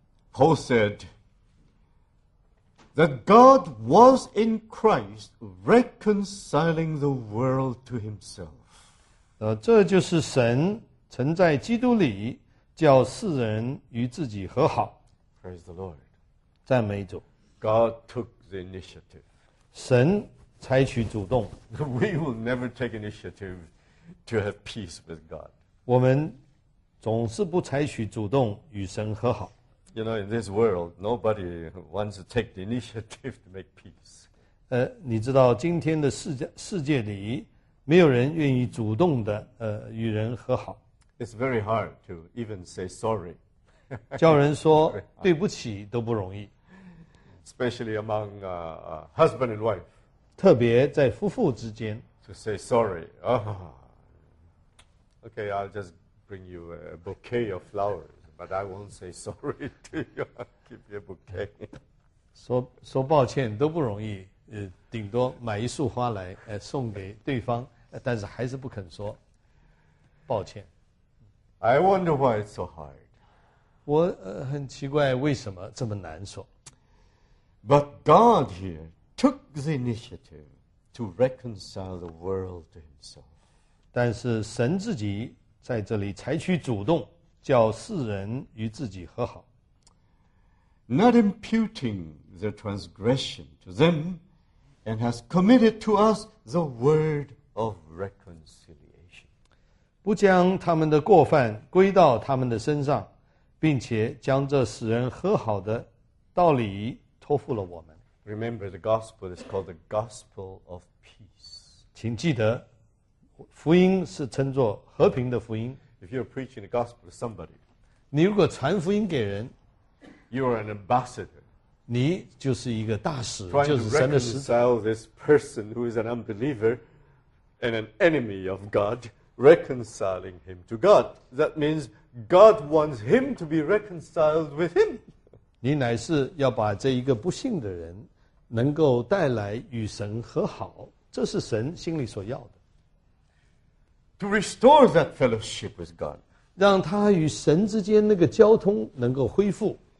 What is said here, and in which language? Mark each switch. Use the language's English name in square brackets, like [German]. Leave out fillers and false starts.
[English] Paul said that God was in Christ reconciling the world to himself. [Chinese] 这就是神曾在基督里叫世人与自己和好。 [English] Praise the Lord. [Chinese] 赞美主。 [English] God took the initiative. [Chinese] 神采取主动。 [English] We will never take initiative to have peace with God. [Chinese] 我们总是不采取主动与神和好。 [English] You know, in this world, nobody wants to take the initiative to make peace. [Chinese] 你知道今天的世界里，没有人愿意主动的与人和好。 [English] It's very hard to even say sorry. [Chinese] 叫人说对不起都不容易。 [English] Especially among husband and wife. [Chinese] 特别在夫妇之间。 [English] To say sorry. Oh. Okay, I'll just bring you a bouquet of flowers. But I won't say sorry to you. Give you a bouquet. [Chinese] 说抱歉都不容易，顶多买一束花来，送给对方，但是还是不肯说抱歉。 [English] I wonder why it's so hard. [Chinese] 我很奇怪为什么这么难说。 [English] But God here took the initiative to reconcile the world to himself. [Chinese] 但是神自己在这里采取主动。叫世人与自己和好。 [English] Not imputing their transgression to them, and has committed to us the word of reconciliation. [Chinese] 不将他们的过犯归到他们的身上，并且将这使人和好的道理托付了我们。 [English] Remember, the gospel is called the gospel of peace. [Chinese] 请记得，福音是称作和平的福音。 [English] If you're preaching the gospel to somebody, [Chinese] 你如果传福音给人， [English] you are an ambassador. [Chinese] 你就是一个大使，就是神的使者。 [English] Trying to reconcile this person who is an unbeliever and an enemy of God, reconciling him to God. That means God wants him to be reconciled with him. [Chinese] 你乃是要把这一个不信的人能够带来与神和好，这是神心里所要的。 [English] To restore that fellowship with God. [Chinese] 让他与神之间那个交通能够恢复。